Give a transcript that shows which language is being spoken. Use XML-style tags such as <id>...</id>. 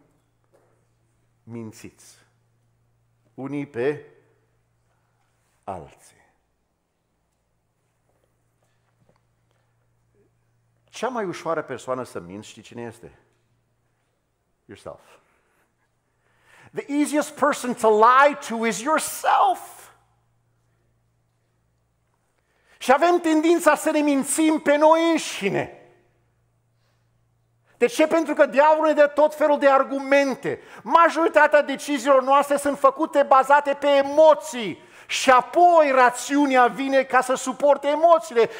<ro>Nu vă mințiți unii pe alții. Cea mai ușoară persoană să minți, știi cine este?</ro> <en>Yourself. The easiest person to lie to is yourself.</en> <ro>Și avem tendința să ne mințim pe noi înșine. De ce? Pentru că diavolul ne dă tot felul de argumente. Majoritatea deciziilor noastre sunt făcute bazate pe emoții. Și apoi rațiunea vine ca să suporte emoțiile.</ro>